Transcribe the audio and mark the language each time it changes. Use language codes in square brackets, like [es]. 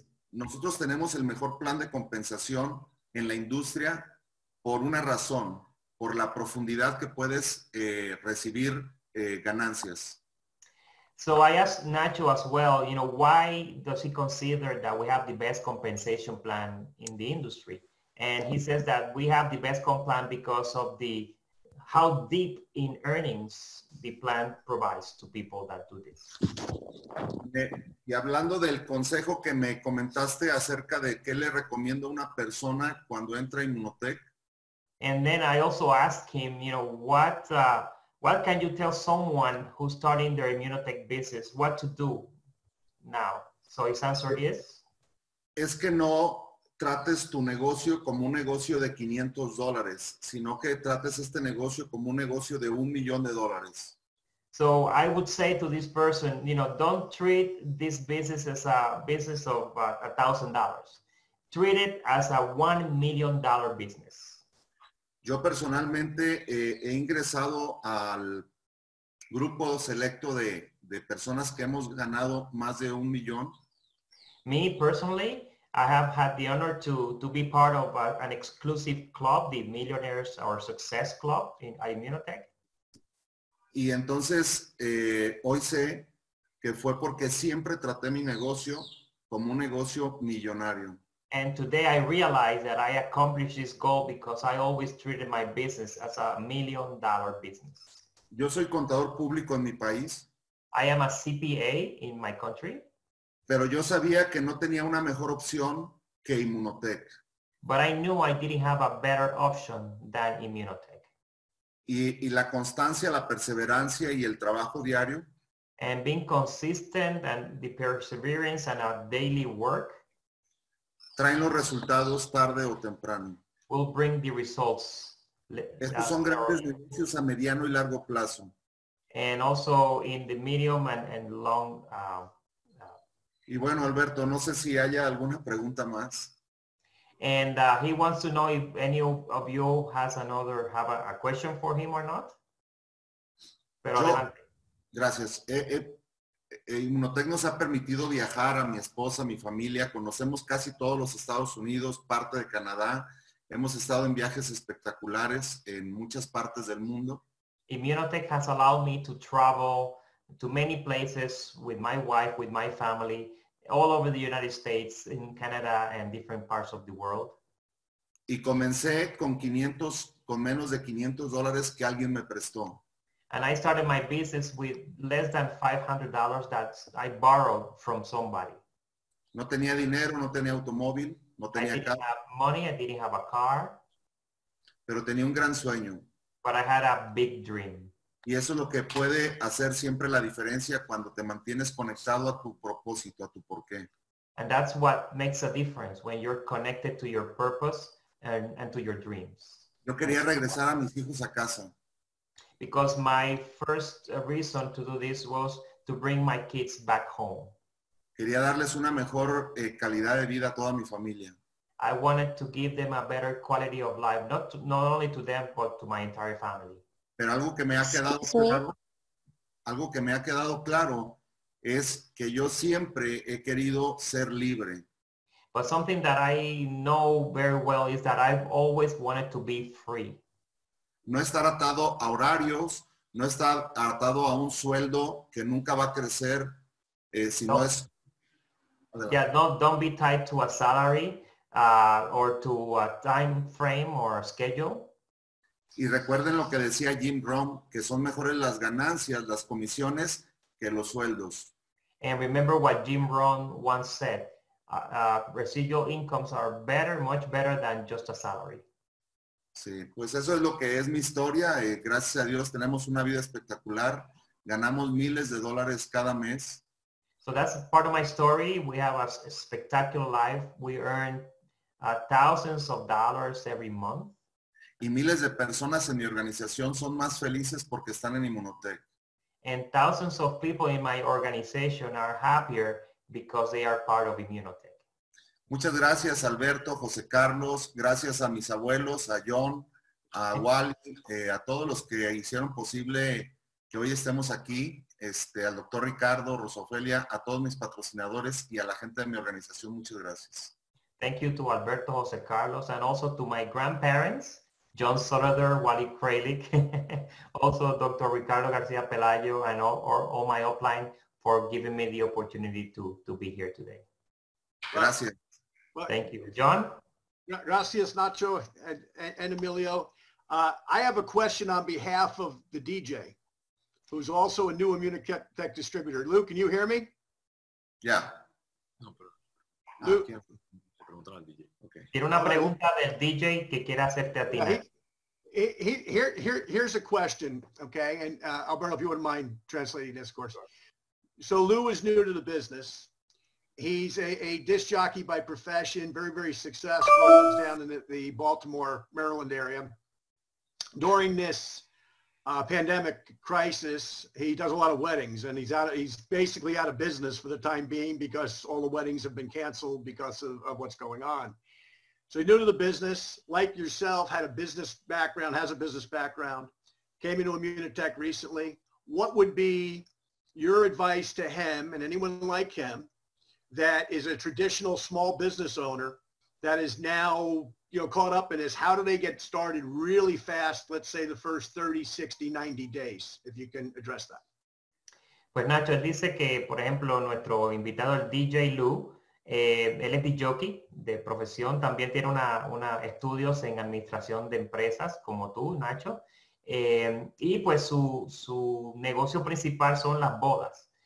[es] nosotros tenemos el mejor plan de compensación en la industria por una razón, por la profundidad que puedes recibir ganancias. [en] So I asked Nacho as well, you know, why does he consider that we have the best compensation plan in the industry? And he says that we have the best comp plan because of the how deep in earnings the plan provides to people that do this. [es] Y hablando del consejo que me comentaste acerca de qué le recomiendo a una persona cuando entra en Immunotech. [en] And then I also asked him, you know, what can you tell someone who's starting their Immunotech business what to do now? So his answer is? [es] Es que no trates tu negocio como un negocio de $500, sino que trates este negocio como un negocio de $1,000,000. [en] So I would say to this person, you know, don't treat this business as a business of $1,000. Treat it as a $1,000,000 business. [es] Yo personalmente he ingresado al grupo selecto de personas que hemos ganado más de $1,000,000. [en] Me personally, I have had the honor to be part of an exclusive club, the Millionaires or Success Club in Immunotech. [es] Y entonces hoy sé que fue porque siempre traté mi negocio como un negocio millonario. [en] And today I realize that I accomplished this goal because I always treated my business as a million-dollar business. [es] Yo soy contador público en mi país. [en] I am a CPA in my country. [es] Pero yo sabía que no tenía una mejor opción que Immunotech. [en] But I knew I didn't have a better option than Immunotech. [es] Y la constancia, la perseverancia y el trabajo diario. [en] And being consistent and the perseverance and our daily work. [es] Traen los resultados tarde o temprano. [en] Will bring the results. [es] Estos son grandes beneficios a mediano y largo plazo. [en] And also in the medium and long [es] Y bueno, Alberto, no sé si haya alguna pregunta más. [en] And he wants to know if any of you have a question for him or not. [es] Pero yo, adelante. Gracias. Immunotech nos ha permitido viajar a mi esposa, a mi familia. Conocemos casi todos los Estados Unidos, parte de Canadá. Hemos estado en viajes espectaculares en muchas partes del mundo. [en] Immunotech has allowed me to travel to many places with my wife, with my family. All over the United States, in Canada, and different parts of the world. [es] Y comencé con 500, con menos de $500 que alguien me prestó. [en] And I started my business with less than $500 that I borrowed from somebody. [es] No tenía dinero, no tenía automóvil, no tenía carro. [en] I didn't have money, I didn't have a car. [es] Pero tenía un gran sueño. [en] But I had a big dream. [es] Y eso es lo que puede hacer siempre la diferencia cuando te mantienes conectado a tu propósito, a tu porqué. [en] And that's what makes a difference when you're connected to your purpose and to your dreams. [es] Yo quería regresar a mis hijos a casa. [en] Because my first reason to do this was to bring my kids back home. [es] Quería darles una mejor calidad de vida a toda mi familia. [en] I wanted to give them a better quality of life, not only to them, but to my entire family. [es] Pero algo que me ha quedado claro, algo que me ha quedado claro es que yo siempre he querido ser libre. [en] But something that I know very well is that I've always wanted to be free. [es] No estar atado a horarios, no estar atado a un sueldo que nunca va a crecer, sino no. Es... [en] Adelante. Yeah, don't be tied to a salary or to a time frame or a schedule. [es] Y recuerden lo que decía Jim Rohn, que son mejores las ganancias, las comisiones, que los sueldos. [en] And remember what Jim Rohn once said, residual incomes are better, much better than just a salary. [es] Sí, pues eso es lo que es mi historia. Gracias a Dios tenemos una vida espectacular. Ganamos miles de dólares cada mes. [en] So that's part of my story. We have a spectacular life. We earn thousands of dollars every month. [es] Y miles de personas en mi organización son más felices porque están en Immunotech. [en] And thousands of people in my organization are happier because they are part of Immunotech. [es] Muchas gracias, Alberto, José Carlos. Gracias a mis abuelos, a John, a Wally, a todos los que hicieron posible que hoy estemos aquí. Al doctor Ricardo, Rosofelia, a todos mis patrocinadores y a la gente de mi organización. Muchas gracias. [en] Thank you to Alberto, José Carlos, and also to my grandparents. John Soder, Wally Kralik, also Dr. Ricardo García Pelayo, and all my upline for giving me the opportunity to be here today. [es] Gracias. [en] Thank you. John? Gracias, Nacho and Emilio. I have a question on behalf of the DJ, who's also a new Immunotech distributor. Lou, can you hear me? Yeah. Lou? Okay. [es] Tiene una pregunta del DJ que quiere hacerte a ti. [en] Here's a question, okay? And Alberto, if you wouldn't mind translating this, of course. Sure. So Lou is new to the business. He's a disc jockey by profession, very, very successful. He's down in the Baltimore, Maryland area. During this pandemic crisis, he does a lot of weddings, and he's basically out of business for the time being because all the weddings have been canceled because of what's going on. So new to the business, like yourself, has a business background, came into Immunotech recently. What would be your advice to him and anyone like him that is a traditional small business owner that is now, you know, caught up in this? How do they get started really fast, let's say the first 30, 60, 90 days, if you can address that? [es] Pues Nacho, él dice que, por ejemplo, nuestro invitado, el DJ Lou, él es DJ de profesión, también tiene una estudios en administración de empresas, como tú, Nacho, y pues su negocio principal son las bodas.